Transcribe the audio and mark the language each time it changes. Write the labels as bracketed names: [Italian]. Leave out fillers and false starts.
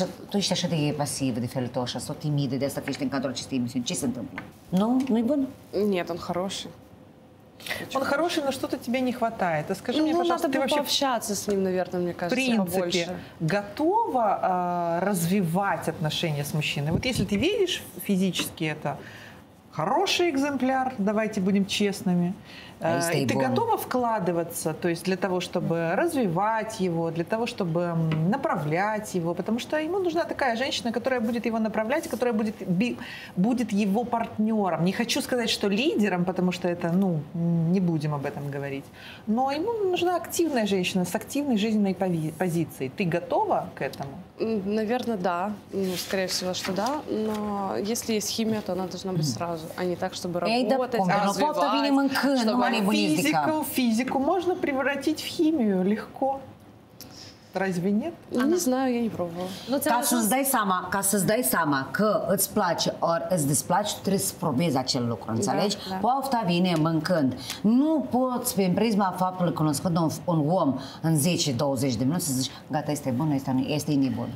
[Romanian] Tu ești așa de pasiv, de felitoș, așa timid, de asta că ești în cadrul acestei emisiuni. Ce se întâmplă? Nu? Nu-i bun? [Russian] Нет, он хороший. Он хороший, но что-то тебе не хватает. А скажи мне, пожалуйста, ты вообще... Ну, надо бы пообщаться с ним, наверное, мне кажется, побольше. В принципе, готова развивать отношения с мужчиной? Вот если ты видишь физически это, хороший экземпляр, давайте будем честными. И ты готова вкладываться, то есть для того, чтобы развивать его, для того, чтобы направлять его, потому что ему нужна такая женщина, которая будет его направлять, которая будет его партнером. Не хочу сказать, что лидером, потому что это, ну, не будем об этом говорить. Но ему нужна активная женщина с активной жизненной позицией. Ты готова к этому? Наверное, да. Ну, скорее всего, что да. Но если есть химия, то она должна быть сразу, а не так, чтобы работать, развивать, чтобы... Физику можно превратить в химию легко. Разве нет? Не знаю, я не пробовала. [Romanian] Ca să-ți dai seama, ca să-ți dai seama că îți place ori îți displace, trebuie să probezi acel lucru, înțelegi? Da, da. Poafta vine mâncând. Nu poți, prin prisma faptului cunoscând un om în 10-20 de minute, să zici, gata, este bun, este nebun.